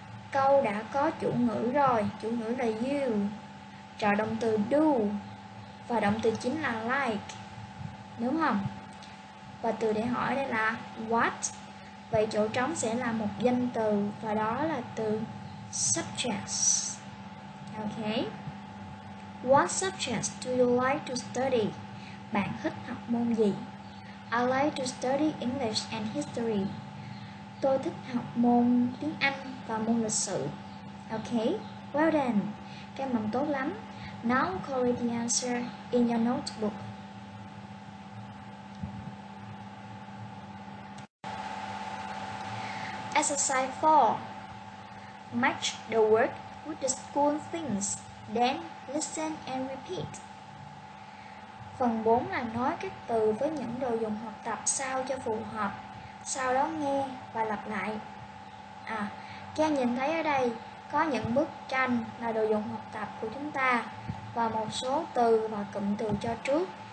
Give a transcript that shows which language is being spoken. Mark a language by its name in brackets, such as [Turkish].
[Vietnamese] Câu đã có chủ ngữ rồi. Chủ ngữ là you. Trợ động từ do. Và động từ chính là like. Đúng không? Và từ để hỏi đây là what. Vậy chỗ trống sẽ là một danh từ, và đó là từ subjects. [English] Ok, what subjects do you like to study? [Vietnamese] Bạn thích học môn gì? [English] I like to study English and history. [Vietnamese] Tôi thích học môn tiếng Anh và môn lịch sử. [English] Ok, well done. [Vietnamese] Các bạn tốt lắm. [English] Now copy the answer in your notebook. Exercise 4. Match the word with the school things, then listen and repeat. [Vietnamese] Phần 4 là nói các từ với những đồ dùng học tập sao cho phù hợp, sau đó nghe và lặp lại. À, các nhìn thấy ở đây có những bức tranh là đồ dùng học tập của chúng ta và một số từ và cụm từ cho trước.